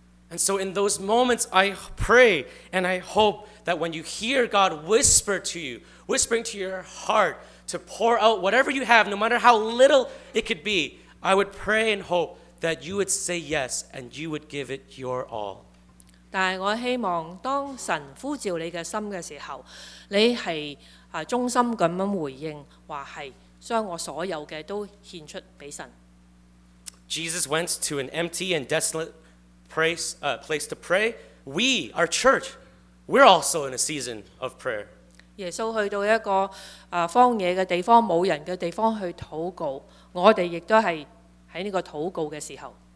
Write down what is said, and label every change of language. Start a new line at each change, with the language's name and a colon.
English: And so in those moments, I pray and I hope that when you hear God whisper to you, whispering to your heart. To pour out whatever you have, no matter how little it could be, I would pray and hope that you would say yes and you would give it your all.
Cantonese: 但系我希望当神呼召你嘅心嘅时候，你系啊忠心咁样回应，话系将我所有嘅都献出俾神。
English: Jesus went to an empty and desolate place to pray. We, our church, we're also in a season of prayer.
Cantonese: 耶稣去到一个荒野嘅地方，冇人嘅地方去祷告，我哋亦都系喺呢个祷告嘅时候。